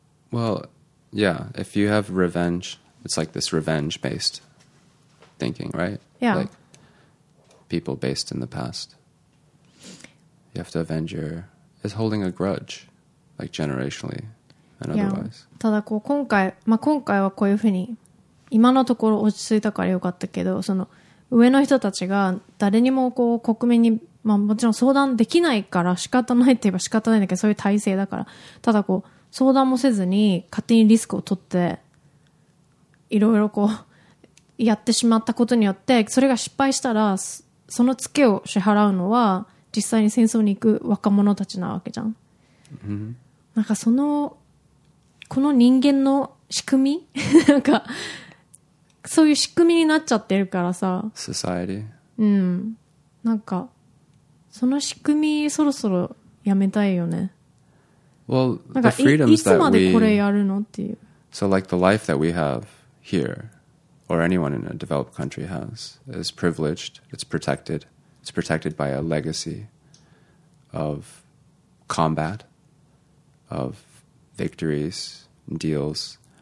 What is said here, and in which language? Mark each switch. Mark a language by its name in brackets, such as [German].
[English] Well, yeah, if you have revenge, it's like this revenge-based thinking, right? Yeah. Like people based in the past. You have to avenge your... It's holding a grudge, like generationally and otherwise. Yeah. [Japanese] ただこう今回、まあ今回はこういうふうに今のところ落ち着いたからよかったけど、その上の人たちが誰にもこう国民に、まあもちろん相談できないから仕方ないって言えば仕方ないんだけど、そういう体制だから、ただこう相談もせずに勝手にリスクを取っていろいろこうやってしまったことによって、それが失敗したらそのツケを支払うのは実際に戦争に行く若者たちなわけじゃん。 Mm-hmm. なんかそのこの人間の仕組みなんかそういう仕組みになっちゃってるからさ、 [English] Society、 [Japanese] なんかその仕組みそろそろやめたいよね。 [English] Well, なんか the freedoms that we... [Japanese] いつまでこれやるのっていう。 [English] So like the life that we have here or anyone in a developed country has is privileged, it's protected. It's protected by a legacy of combat, of victories and deals.